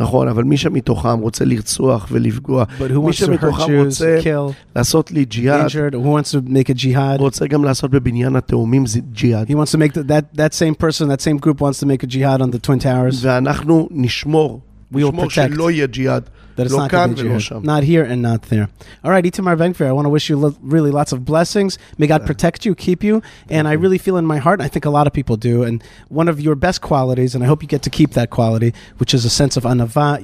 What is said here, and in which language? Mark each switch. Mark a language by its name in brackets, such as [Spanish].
[Hebrew] נכון, אבל מי שמתוכם רוצה לרצוח ולפגוע. [English] But who wants to hurt Jews, kill, [Hebrew] לעשות לי ג'יהאד. [English] Injured, who wants to make a jihad? [Hebrew] רוצה גם לעשות בבניין התאומים ג'יהאד. [English] He wants to make that same person, that same group wants to make a jihad on the Twin Towers. [Hebrew] ואנחנו נשמור. [English] We will protect that it's not going to be jihad. Not here and not there. All right, Itamar Ben-Gvir, I want to wish you really lots of blessings. May God protect you, keep you. And I really feel in my heart, and I think a lot of people do, and one of your best qualities, and I hope you get to keep that quality, which is a sense of anava.